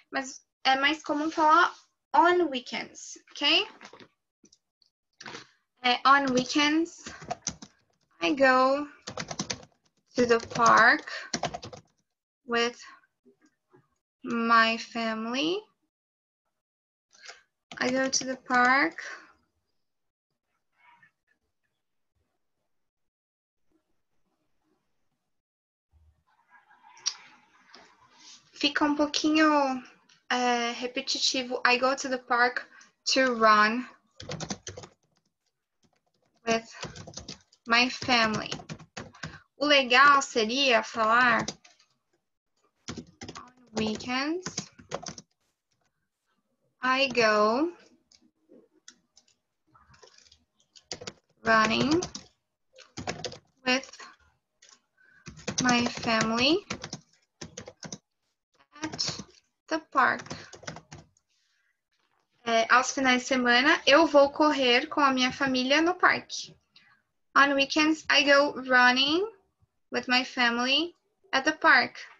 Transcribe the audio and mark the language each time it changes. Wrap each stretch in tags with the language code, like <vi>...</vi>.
<pt>Mas é mais comum falar</pt> <en>on weekends,</en> <pt>ok?</pt> <en>On weekends, I go to the park with my family. I go to the park</en> <pt>fica um pouquinho repetitivo.</pt> <en>I go to the park to run with my family.</en> <pt>O legal seria falar</pt> <en>on weekends I go running with my family at the park.</en> <pt>Aos finais de semana, eu vou correr com a minha família no parque.</pt> <en>On weekends, I go running with my family at the park.</en>